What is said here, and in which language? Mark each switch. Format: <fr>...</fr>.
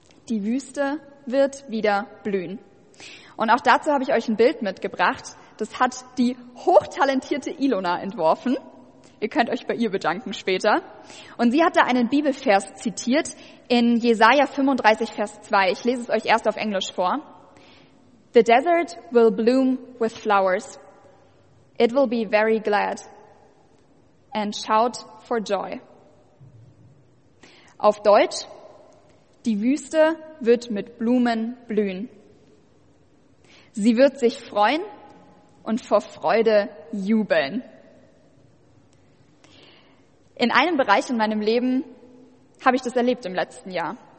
<de>die Wüste wird wieder blühen. Und auch dazu habe ich euch ein Bild mitgebracht. Das hat die hochtalentierte Ilona entworfen. Ihr könnt euch bei ihr bedanken später. Und sie hat da einen Bibelvers zitiert in Jesaja 35, Vers 2. Ich lese es euch erst auf Englisch vor.</de> <en>The desert will bloom with flowers. It will be very glad and shout for joy.</en> <de>Auf Deutsch, die Wüste wird mit Blumen blühen. Sie wird sich freuen und vor Freude jubeln. In einem Bereich in meinem Leben habe ich das erlebt im letzten Jahr.</de>